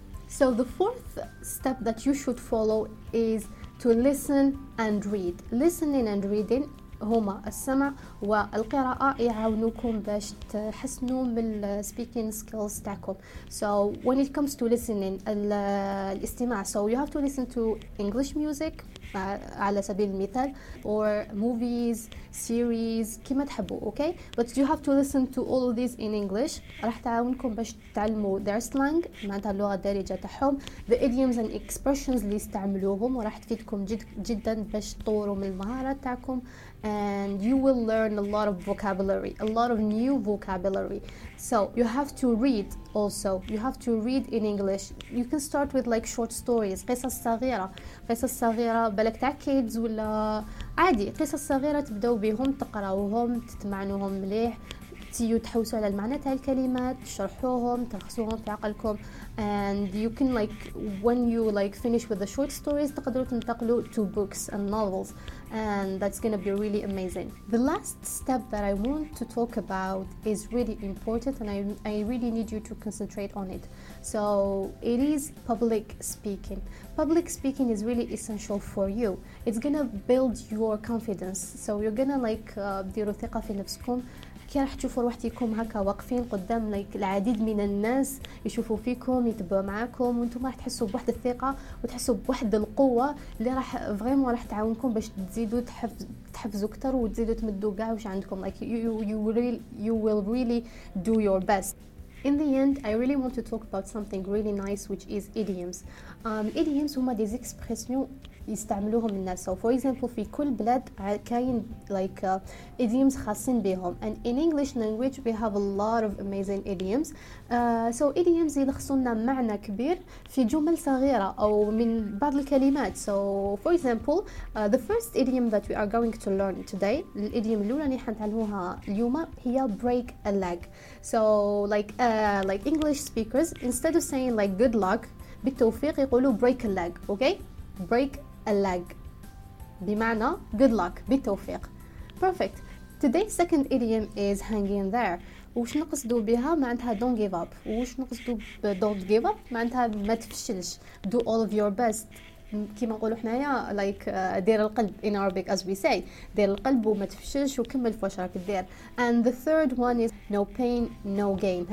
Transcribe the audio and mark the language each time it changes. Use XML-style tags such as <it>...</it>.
<en>So the fourth step that you should follow is to listen and read. Listening and reading</en> <ar>هما السمع والقراءة يعاونوكم باش تحسنوا من الـ</ar> <en>speaking skills</en> <ar>تاعكم.</ar> <en>So when it comes to listening,</en> <ar>الاستماع,</ar> <en>so you have to listen to English music</en> <ar>على سبيل المثال,</ar> <en>or movies, series,</en> <ar>كما تحبوا,</ar> <en>okay? But you have to listen to all of these in English.</en> <ar>راح تعاونكم باش تتعلموا</ar> <en>their slang,</en> <ar>معناتها اللغة الدارجة تاعهم,</ar> <en>the idioms and expressions</en> <ar>اللي استعملوهم, وراح تفيدكم جدا باش تطوروا من المهارات تاعكم.</ar> <en>And you will learn a lot of vocabulary, a lot of new vocabulary. So you have to read also. You have to read in English. You can start with like short stories,</en> <ar>قصص صغيرة. قصص صغيرة بلك تاع كيدز ولا عادي, قصص صغيرة تبدأوا بهم, تقرأوهم, تتمعنوهم مليح, تيو تحوسوا على المعنى تاع الكلمات, تشرحوهم, تلخصوهم في عقلكم.</ar> <en>And you can like, when you like finish with the short stories,</en> <ar>تقدروا تنتقلوا</ar> <en>to books and novels. And that's gonna be really amazing. The last step that I want to talk about is really important, and I really need you to concentrate on it. So it is public speaking. Public speaking is really essential for you. It's gonna build your confidence. So you're gonna like</en> <ar>ديروا ثقة في نفسكم. كي راح تشوفوا روحتكم هكا واقفين قدام like العديد من الناس, يشوفوا فيكم, يتبعوا معاكم, وانتم راح تحسوا بواحد الثقة وتحسوا بواحد القوة اللي راح فريمون راح تعاونكم باش تزيدوا تحفزوا اكثر وتزيدوا تمدوا كاع واش عندكم.</ar> <en>Like you will really do your best. In the end, I really want to talk about something really nice, which is idioms.</en> <ar>Idioms هما</ar> <fr>des expressions</fr> <ar>يستعملوهم الناس.</ar> <en>So for example,</en> <ar>في كل بلد كاين</ar> <en>like idioms</en> <ar>خاصين بهم.</ar> <en>And in English language, we have a lot of amazing idioms. So idioms</en> <ar>يلخصوا لنا معنى كبير في جمل صغيرة أو من بعض الكلمات.</ar> <en>So for example, the first idiom that we are going to learn today, the idiom</en> <ar>الأولى اللي حنتعلموها اليوم هي</ar> <en>break a leg. So like English speakers, instead of saying like good luck,</en> <ar>بالتوفيق</ar> <en>يقولوا break a leg. Okay? Break a leg.</en> <ar>بمعنى</ar> <en>good luck,</en> <ar>بالتوفيق.</ar> <en>Perfect. Today's second idiom is hang in there.</en> <ar>وش نقصدو بها معنتها</ar> <en>don't give up.</en> <ar>وش نقصدو ب don't give up معنتها ما تفشلش.</ar> <en>Do all of your best.</en> <ar>كما نقولو حنايا like دير القلب</ar> <en>in Arabic as we say.</en> <ar>دير القلب وما تفشلش وكمل فاش راك دير.</ar> <en>And the third one is no pain, no gain.</en>